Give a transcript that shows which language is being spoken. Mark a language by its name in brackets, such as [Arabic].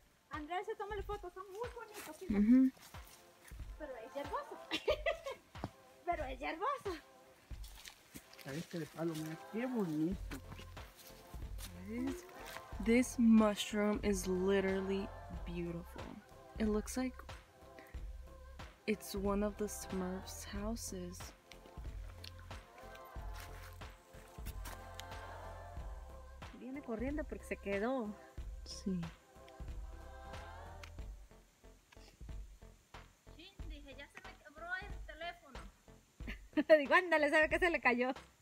[Spanish] Andrea se toma las fotos, son muy bonitos, fíjate. Pero es hermoso. Pero es hermoso. A este de palo, mira, qué bonito. [English] This mushroom is literally beautiful. It looks like it's one of the Smurfs' houses. [Spanish] Viene corriendo porque se quedó. Sí. Dije, ya se me quebró el teléfono. Digo, ándale, sabe que se le cayó.